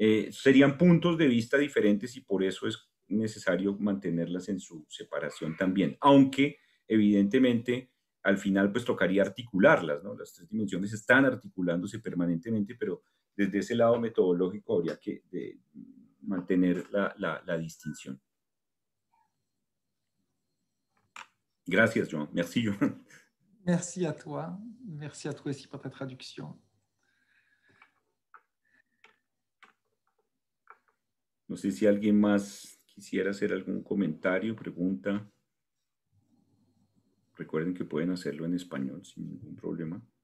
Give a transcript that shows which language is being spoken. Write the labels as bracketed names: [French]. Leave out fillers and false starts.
[Spanish] Serían puntos de vista diferentes y por eso es necesario mantenerlas en su separación también, aunque evidentemente al final pues tocaría articularlas, ¿no? Las tres dimensiones están articulándose permanentemente, pero desde ese lado metodológico habría que mantener la distinción. Gracias, Joan. [French] Merci, Joan. Merci à toi aussi pour ta traduction. [Spanish] No sé si alguien más quisiera hacer algún comentario, pregunta. Recuerden que pueden hacerlo en español sin ningún problema.